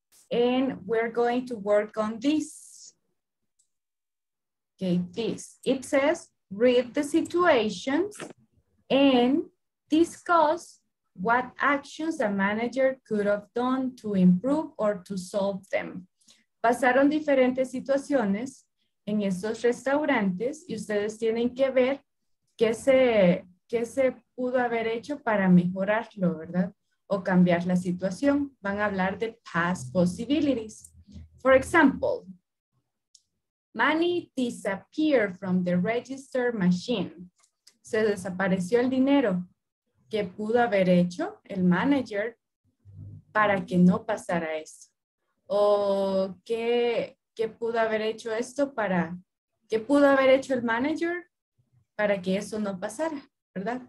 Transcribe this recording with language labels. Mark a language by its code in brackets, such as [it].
[en] And we're going to work on this. Okay, this. It says, read the situations and discuss what actions a manager could have done to improve or to solve them. [es] Pasaron diferentes situaciones en estos restaurantes y ustedes tienen que ver qué se pudo haber hecho para mejorarlo, ¿verdad? O cambiar la situación. Van a hablar de [en] past possibilities. For example, money disappeared from the register machine. [es] Se desapareció el dinero. ¿Qué pudo haber hecho el manager para que no pasara esto? O qué pudo haber hecho esto para, qué pudo haber hecho el manager para que eso no pasara, ¿verdad?